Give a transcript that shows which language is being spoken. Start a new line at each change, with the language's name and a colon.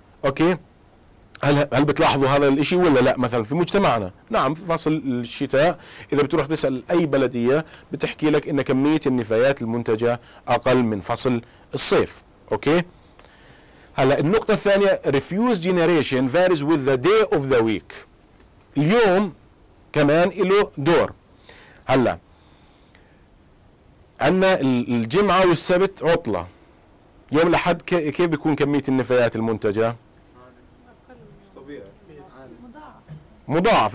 Arabic: أوكي هل بتلاحظوا هذا الاشي ولا لا مثلا في مجتمعنا؟ نعم في فصل الشتاء اذا بتروح تسأل اي بلدية بتحكي لك ان كمية النفايات المنتجة أقل من فصل الصيف. أوكي هلا النقطة الثانية
English: refuse generation varies with the day of the week.
Arabic: اليوم كمان له دور. هلا عندنا الجمعة والسبت عطلة, يوم الأحد كيف بيكون كمية النفايات المنتجة؟ مضاعف.